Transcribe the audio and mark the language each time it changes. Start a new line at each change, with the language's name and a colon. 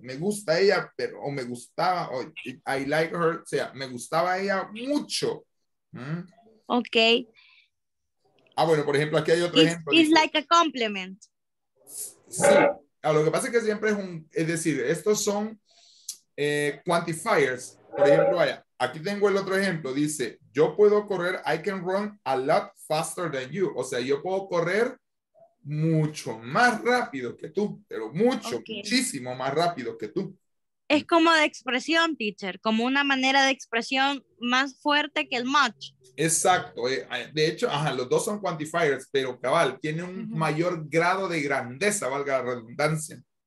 Spanish: Me gusta ella, pero o me gustaba, o
English: I like her,
Spanish: o sea, me gustaba ella mucho. Ok. Ah, bueno, por ejemplo, aquí hay otro ejemplo.
English: It's like a compliment.
Spanish: Sí. A lo que pasa es que siempre es un, es decir, estos son quantifiers. Por ejemplo, vaya, aquí tengo el otro ejemplo. Dice, yo puedo correr,
English: I can run a lot faster than you.
Spanish: O sea, yo puedo correr mucho más rápido que tú, pero mucho, muchísimo más rápido que tú. Es como de expresión, teacher, como una manera de expresión más fuerte que el much. Exacto. De hecho, ajá, los dos son quantifiers, pero cabal, tiene un mayor grado de grandeza, valga la redundancia.